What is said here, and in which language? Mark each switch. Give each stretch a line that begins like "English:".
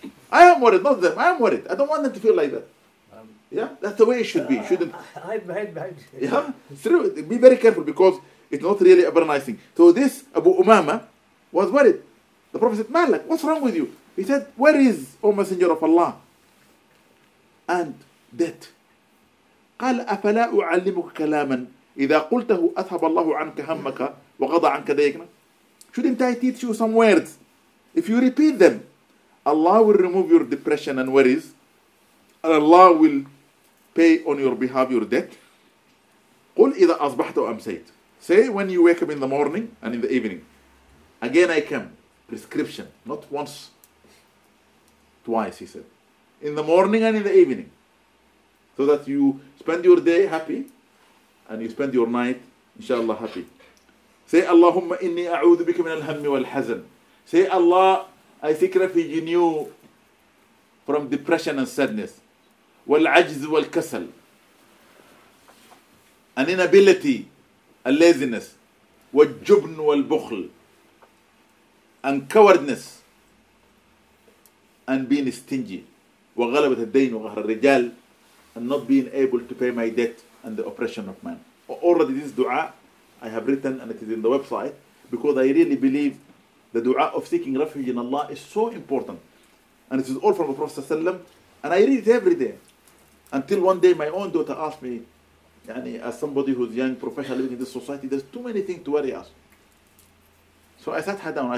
English: I am worried, not them. I am worried. I don't want them to feel like that. Yeah, that's the way it should be. Shouldn't I yeah? Be very careful because it's not really a very nice thing. So this Abu Umama was worried. The Prophet said, Malak, what's wrong with you? He said, where is, O Messenger of Allah? And debt.
Arabic: قال أفلا أعلمك كلاما إذا قلته أذهب الله عنك همك وقضى عنك ديكنا.
English: Shouldn't I teach you some words? If you repeat them, Allah will remove your depression and worries. And Allah will pay on your behalf your debt.
Arabic: قل إذا أصبحت وأمسيت.
English: Say when you wake up in the morning and in the evening. Again I come. Prescription. Not once. Twice, he said. In the morning and in the evening. So that you spend your day happy. And you spend your night, inshallah, happy. Say,
Arabic: Allahumma inni a'udhu bika min al-hammi wal-hazan.
English: Say, Allah, I seek refuge in you from depression and sadness.
Arabic: والعجز والكسل.
English: An inability, a laziness.
Arabic: والجبن والبخل.
English: And cowardness. And being stingy.
Arabic: وغلبة الدين وغهر الرجال.
English: And not being able to pay my debt and the oppression of man. Already this dua I have written and it is in the website because I really believe the dua of seeking refuge in Allah is so important. And it is all from the Prophet ﷺ. And I read it every day. Until one day my own daughter asked me, yani, as somebody who's young, professional, living in this society, there's too many things to worry us. So I sat her down.